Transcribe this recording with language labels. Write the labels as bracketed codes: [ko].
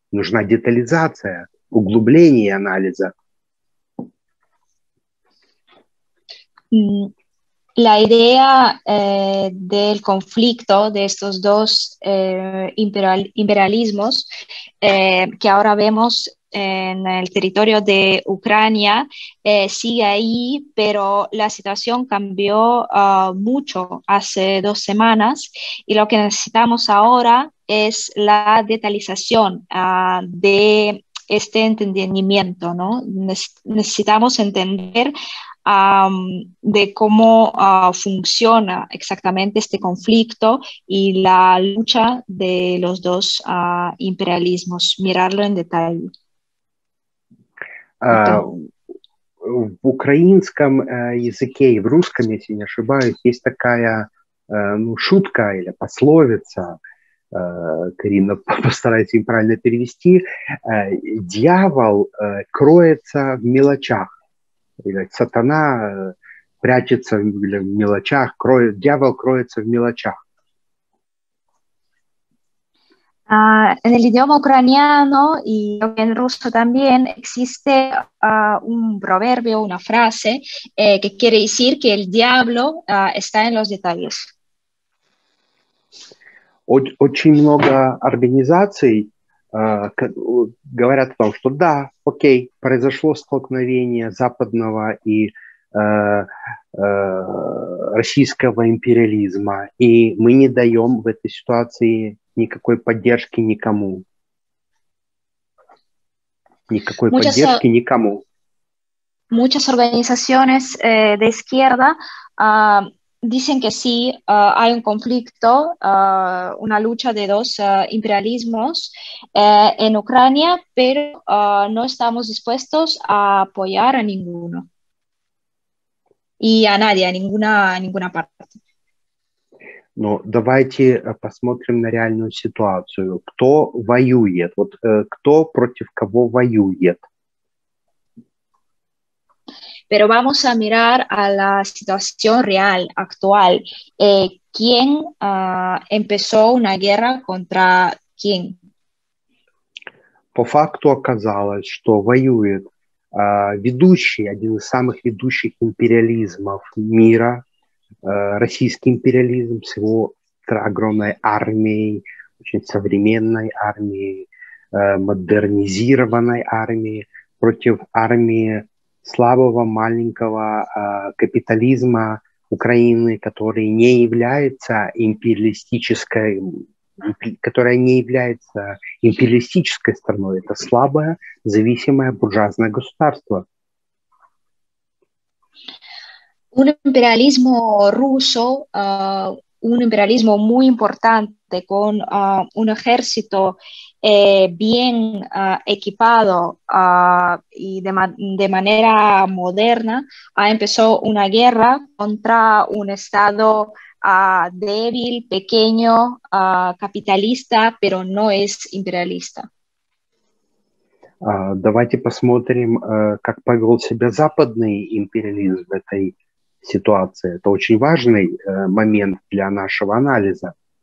[ru] Нужна детализация, углубление анализа. [es] La idea del conflicto de estos dos imperialismos que ahora vemos en el territorio de Ucrania sigue ahí, pero la situación cambió mucho hace dos semanas y lo que necesitamos ahora es la detalización de este entendimiento, ¿no? Necesitamos entender de cómo funciona exactamente este conflicto y la lucha de los dos imperialismos, mirarlo en detalle. [ru] В украинском языке и в русском, если не ошибаюсь, есть такая шутка или пословица, Карина, постарайтесь им правильно перевести, дьявол кроется в мелочах, или сатана прячется в мелочах, дьявол кроется в мелочах. [es] En el idioma ucraniano y en ruso también existe un proverbio, una frase que quiere decir que el diablo está en los detalles. [ru] Очень много организаций говорят о том, что да, окей, произошло столкновение западного и российского империализма, и мы не даем в этой ситуации никакой поддержки никому. Никакой поддержки никому. [es] Muchas organizaciones de izquierda dicen que sí, hay un conflicto, una lucha de dos imperialismos en Ucrania, pero no estamos dispuestos a apoyar a ninguno. [ru] И о Наде, [es] ninguna parte. [ru] Ну, давайте посмотрим на реальную ситуацию. Кто воюет? Вот кто против кого воюет? [es] Pero vamos a mirar a la situación real, actual. ¿Quién empezó una guerra contra quién? [ru] По факту оказалось, что воюет ведущий, один из самых ведущих империализмов мира, российский империализм с его огромной армией, очень современной армией, модернизированной армией, против армии слабого, маленького капитализма Украины, который не является империалистической, которая не является империалистической страной. Это слабое, зависимое буржуазное государство. [es] Un imperialismo ruso, un imperialismo muy importante con un ejército bien equipado y de manera moderna, empezó una guerra contra un estado débil, pequeño, capitalista, pero no es imperialista. [ru] Давайте посмотрим, как повел себя западный империализм в этой ситуации. Это очень важный момент для нашего анализа.